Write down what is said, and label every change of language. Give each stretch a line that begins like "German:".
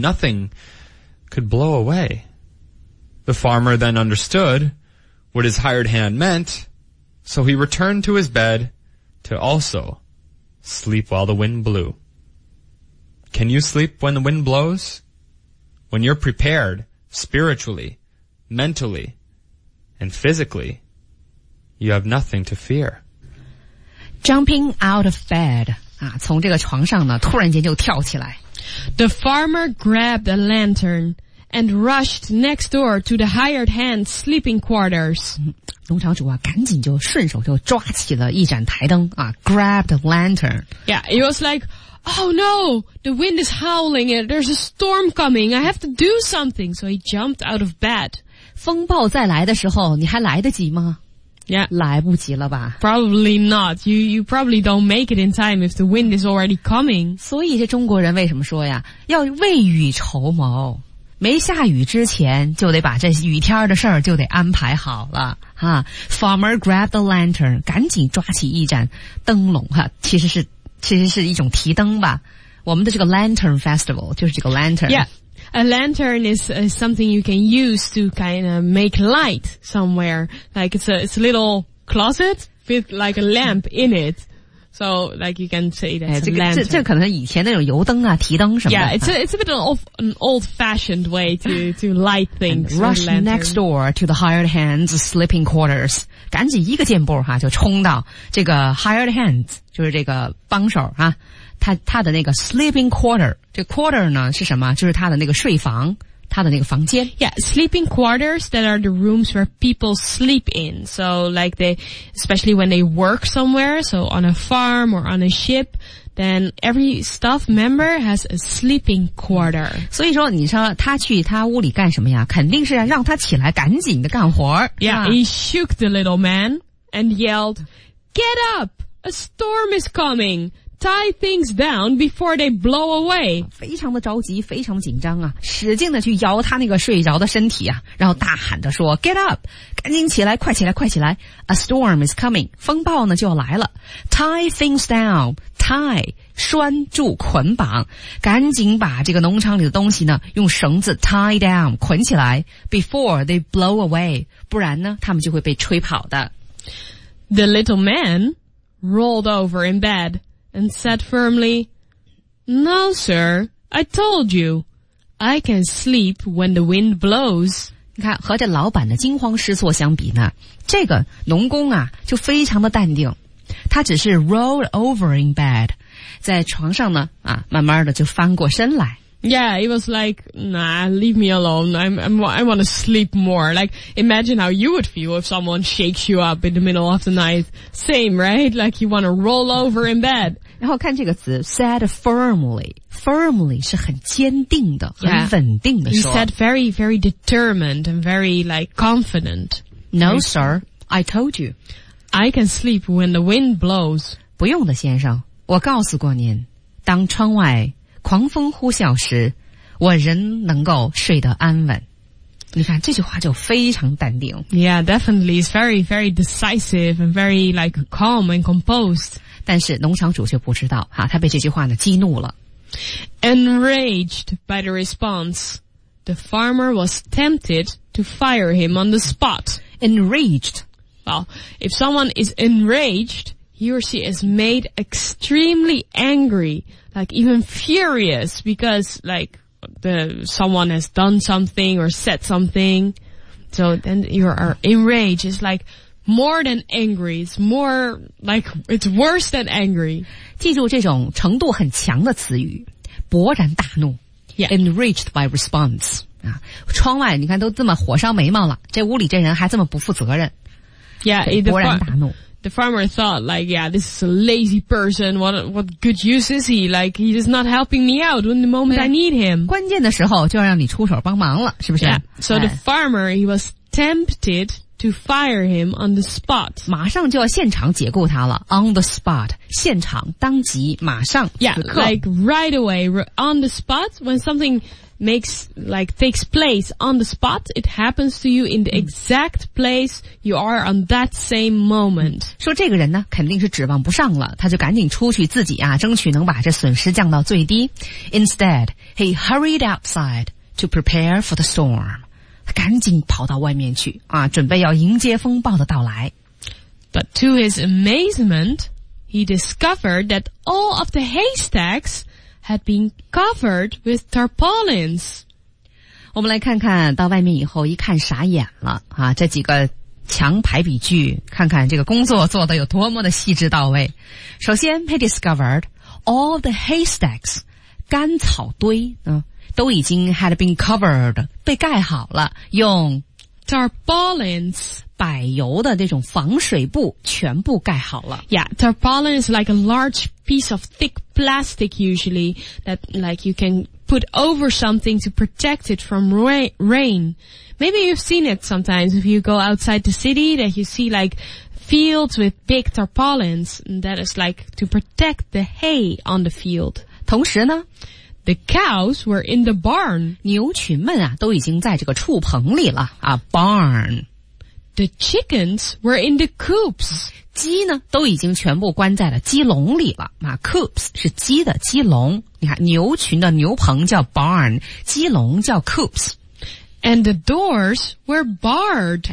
English: Nothing could blow away. The farmer then understood what his hired hand meant, so he returned to his bed to also sleep while the wind blew. Can you sleep when the wind blows? When you're prepared spiritually, mentally, and physically, you have nothing to fear. Jumping out of bed.
Chinese: 啊，从这个床上呢，突然间就跳起来。
English: The farmer grabbed a lantern and rushed next door to the hired hand's sleeping quarters.
Chinese: 农场主啊，赶紧就顺手就抓起了一盏台灯啊 ，
English: grabbed a lantern. Yeah, it was like, oh no, the wind is howling and there's a storm coming. I have to do something. So he jumped out of bed.
Chinese: 风暴再来的时候，你还来得及吗？
English: Yeah.
Chinese: 来不及了吧。
English: Probably not. You probably don't make it in time if the wind is already coming.
Chinese: 所以这中国人为什么说呀，要未雨绸缪。没下雨之前就得把这雨天的事儿就得安排好了。啊、
English: Farmer grabbed the lantern,
Chinese: 赶紧抓起一盏灯笼、啊、其实是一种提灯吧。我们的这个 lantern festival, 就是这个 lantern。
English: Yeah. A lantern is something you can use to kind of make light somewhere. Like it's a little closet with like a lamp in it. So like you can say that's、哎、 a lantern.
Chinese: 这可能以前那种油灯啊提灯什么的。
English: Yeah, it's a bit of an old-fashioned way to light things. Rush next door to the hired hand's sleeping quarters.
Chinese: 赶紧一个箭步、啊、就冲到这个 hired hand, 就是这个帮手啊。他的那个 sleeping quarter, 这 quarter 呢是什么？就是他的那个睡房，他的那个房间。
English: Yeah, sleeping quarters that are the rooms where people sleep in. So like they, especially when they work somewhere, so on a farm or on a ship, then every staff member has a sleeping quarter.
Chinese: 所以说你说他去他屋里干什么呀？肯定是让他起来赶紧的干活。
English: Yeah, he shook the little man and yelled, "Get up! A storm is coming!" Tie things down before they blow away.
Chinese: 非常的着急，非常的紧张啊，使劲的去摇他那个睡着的身体啊，然后大喊着说 ,
English: get up,
Chinese: 赶紧起来，快起来，快起来。
English: A storm is coming,
Chinese: 风暴呢就要来了。
English: Tie things down,
Chinese: tie, 拴住捆绑，赶紧把这个农场里的东西呢用绳子
English: tie down,
Chinese: 捆起来 ,
English: before they blow away,
Chinese: 不然呢他们就会被吹跑的。
English: The little man rolled over in bed. And said firmly, "No, sir, I told you, I can sleep when the wind blows."
Chinese: 你看，和这老板的惊慌失措相比呢，这个农工啊，就非常的淡定。他只是
English: rolled over in bed,
Chinese: 在床上呢，啊，慢慢的就翻过身来。
English: Yeah, it was like, nah, leave me alone. I want to sleep more. Like, imagine how you would feel if someone shakes you up in the middle of the night. Same, right? Like, you want to roll over in bed.
Chinese: 然后看这个词
English: said firmly.
Chinese: Firmly 是很坚定的、
English: yeah.
Chinese: 很稳定的说。
English: He said very, very determined and very, like, confident. No, sir. I told you. I can sleep when the wind blows.
Chinese: 不用的先生。我告诉过您当窗外狂风呼啸时，我仍能够睡得安稳。你看这句话就非常淡定。
English: Yeah, definitely. It's very, very decisive and very like calm and composed.
Chinese: 但是农场主却不知道、啊、他被这句话呢激怒了。
English: Enraged by the response, the farmer was tempted to fire him on the spot. Enraged, Well, if someone is enraged, he or she is made extremely angry, like even furious because like someone has done something or said something. So then you are enraged. It's like more than angry. It's more like it's worse than angry.
Chinese: 记住这种程度很强的词语，勃然大怒。
English: Yeah. Enraged by response.
Chinese: 啊，窗外你看都这么火烧眉毛了，这屋里这人还这么不负责任。
English: Yeah,
Chinese: 勃然大怒。
English: The farmer thought, like, yeah, this is a lazy person. What good use is he? Like, he is not helping me out in the moment I need him.
Chinese: 关键的时候就要让你出手帮忙了，是不是？
English: Yeah. So the farmer, he was tempted to fire him on the spot.
Chinese: 马上就要现场解雇他了。
English: On the spot,
Chinese: 现场，当即，马上，此刻。
English: Yeah, like right away, on the spot, when something takes place on the spot, it happens to you in the exact place you are on that same moment.
Chinese: 说这个人呢肯定是指望不上了，他就赶紧出去自己啊争取能把这损失降到最低。
English: Instead, he hurried outside to prepare for the storm.
Chinese: 赶紧跑到外面去啊，准备要迎接风暴的到来。
English: But to his amazement, he discovered that all of the haystacks had been covered with tarpaulins.
Chinese: 我们来看看到外面以后一看傻眼了啊，这几个墙排比句，看看这个工作做得有多么的细致到位。首先
English: he discovered all the haystacks,
Chinese: 干草堆都已经
English: had been covered,
Chinese: 被盖好了，用
English: tarpaulins,
Chinese: 柏油的那种防水布全部盖好了。
English: Yeah, tarpaulin is like a large piece of thick plastic usually that like you can put over something to protect it from rain. Maybe you've seen it sometimes if you go outside the city that you see like fields with big tarpaulins that is like to protect the hay on the field.
Chinese: 同时呢
English: the cows were in the barn.
Chinese: 牛群们啊都已经在这个畜棚里了啊 barn.
English: The chickens were in the coops.
Chinese: 鸡呢都已经全部关在了鸡笼里了、啊、coops 是鸡的鸡笼，你看牛群的牛棚叫 barn， 鸡笼叫 coops。
English: And the doors were barred，